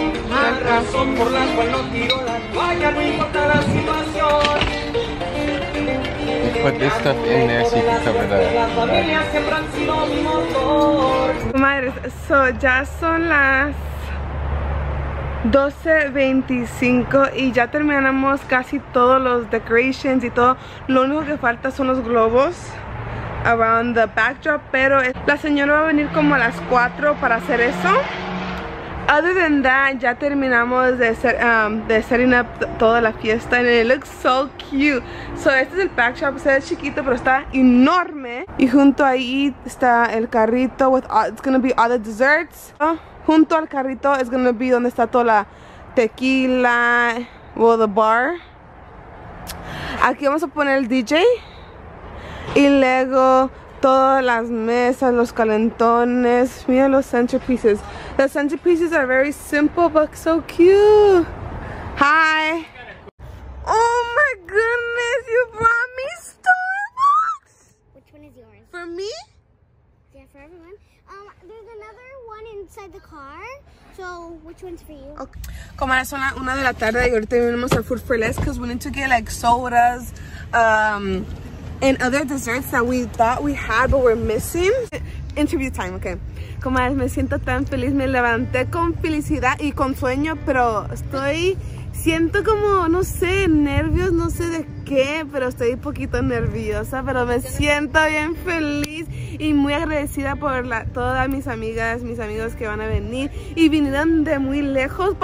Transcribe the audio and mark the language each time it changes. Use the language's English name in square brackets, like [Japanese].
[Spanish] La razón por la cual no tiro la toalla, no importa la situación. [English] Put this stuff in there so you can cover the back. [Spanish] Madres, so ya son las 12:25 y ya terminamos casi todos los [English] decorations [Spanish] y todo. Lo único que falta son los globos [English] around the backdrop, [Spanish] pero la señora va a venir como a las 4 para hacer eso. [English] Other than that, [Spanish] ya terminamos de hacer de [English] setting up [Spanish] toda la fiesta, [English] and it looks so cute. [Spanish] So este es el backdrop, se ve chiquito pero está enorme, y junto ahí está el carrito [English] with all, it's gonna be all the desserts. [Spanish] Junto al carrito es [English] gonna be [Spanish] donde está toda la tequila, [English] well, the bar. [Spanish] Aquí vamos a poner el DJ y luego todas las mesas, los calentones. Mira los centerpieces. [English] The centerpieces are very simple but so cute. Hi. Oh my goodness, you brought me Starbucks. Which one is yours? For me? Yeah, for everyone. There's another one inside the car. So which one's for you? [Spanish] Okay. Como ahora son las 1 de la tarde y ahorita venimos a Food for Less [English] because we need to get like sodas. And other desserts that we thought we had but we're missing. Interview time, okay. [Spanish] Como es, me siento tan feliz. Me levanté con felicidad y con sueño, pero estoy, siento como, no sé, nervios, no sé de qué, pero estoy un poquito nerviosa, pero me siento bien feliz y muy agradecida por la, todas mis amigas, mis amigos que van a venir y vinieron de muy lejos.